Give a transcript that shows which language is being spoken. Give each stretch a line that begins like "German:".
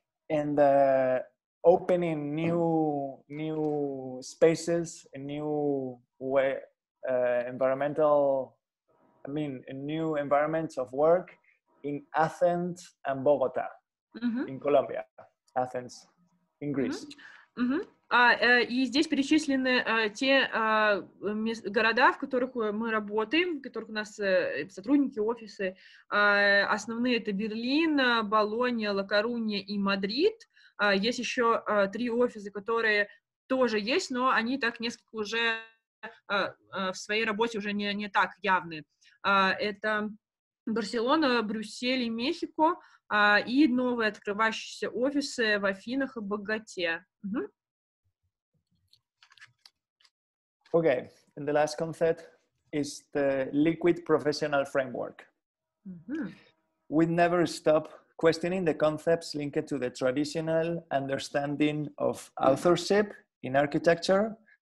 English: And opening new spaces, a new way, a new environment of work in Athens and Bogota, mm-hmm. in Colombia, Athens, in Greece. Mm-hmm. Mm-hmm.
Russian: И здесь перечислены те города, в которых мы работаем, в которых у нас сотрудники, офисы. Основные — это Берлин, Болонья, Ла-Корунья и Мадрид. Есть еще три офиса, которые тоже есть, но они так несколько уже в своей работе уже не так явны. Это Барселона, Брюссель и Мехико, и новые открывающиеся офисы в Афинах и Боготе.
English: Okay, and the last concept is the liquid professional framework. Mm-hmm. We never stop questioning the concepts linked to the traditional understanding of authorship in architecture.